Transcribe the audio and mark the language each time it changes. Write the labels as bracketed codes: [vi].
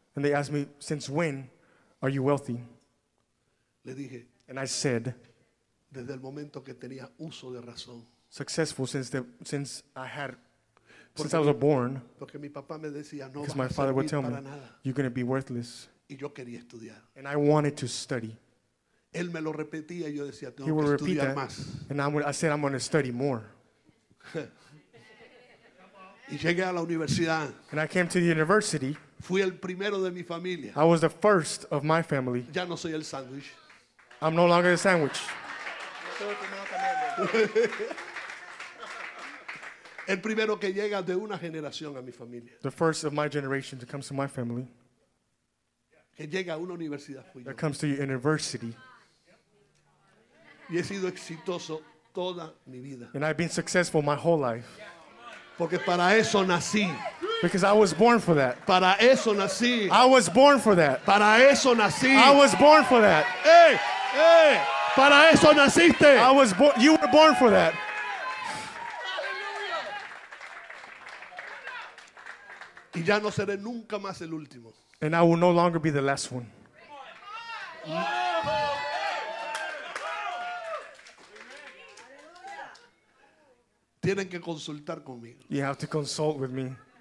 [en] And they asked me since when are you wealthy. [es] Le dije. [en] And I said. [es] Desde el momento que tenía uso de razón. [en] Successful since I had. Since I was born, [es] porque mi papá me decía, no [en] because my father would tell me, [es] nada. [en] You're going to be worthless. [es] Y yo quería estudiar. [en] And I wanted to study. [es] Él me lo repetía y yo decía, tengo que estudiar más. [en] And I said, I'm going to study more. [es] Y llegué a la universidad. [en] And I came to the university. [es] Fui el primero de mi familia. [en] I was the first of my family. [es] Ya no soy el sándwich. [en] I'm no longer the sandwich. [es] El primero que llega de una generación a mi familia. [en] The first of my generation that comes to my family. [es] Que llega a una universidad. [en] That comes to your university. [es] Y he sido exitoso toda mi vida. [en] And I've been successful my whole life. [es] Porque para eso nací. [en] Because I was born for that. [es] Para eso nací. [en] I was born for that. [es] Para eso nací. [en] I was born for that. [es] Hey, hey. Para eso naciste. [en] I was born. You were born for that. [es] Y ya no seré nunca más el último. [en] And I will no longer be the last one. [es] Tienen que consultar conmigo. [en] You have to consult with me.